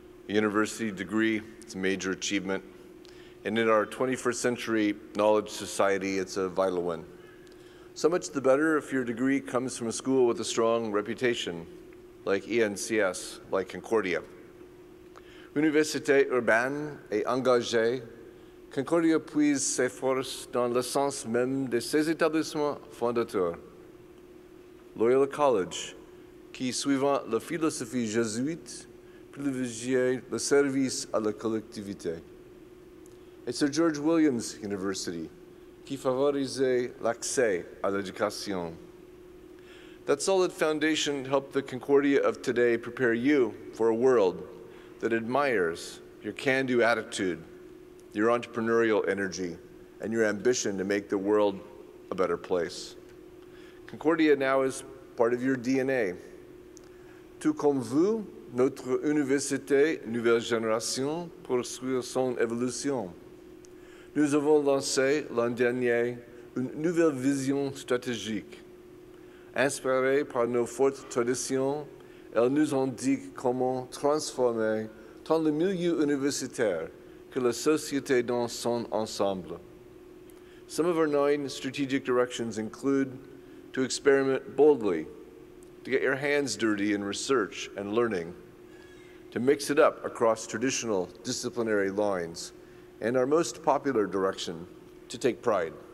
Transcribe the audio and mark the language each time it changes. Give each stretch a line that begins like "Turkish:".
English: A university degree, it's a major achievement. And in our 21st century knowledge society, it's a vital one. So much the better if your degree comes from a school with a strong reputation, like ENCS, like Concordia.
French: Université urbaine et engagée, Concordia puise ses forces dans l'essence même de ses établissements fondateurs. Loyola College, qui suivant la philosophie jésuite, privilégie le service à la collectivité. Et Sir George Williams University, qui favorise l'accès à l'éducation.
English: That solid foundation helped the Concordia of today prepare you for a world that admires your can-do attitude, your entrepreneurial energy, and your ambition to make the world a better place. Concordia now is part of your DNA.
French: Tout comme vous, notre université nouvelle génération poursuit son évolution. Nous avons lancé l'an dernier une nouvelle vision stratégique. Inspirée par nos fortes traditions, elle nous indique comment transformer tant le milieu universitaire que la société dans son ensemble.
English: Some of our 9 strategic directions include to experiment boldly, to get your hands dirty in research and learning, to mix it up across traditional disciplinary lines, and our most popular direction, to take pride.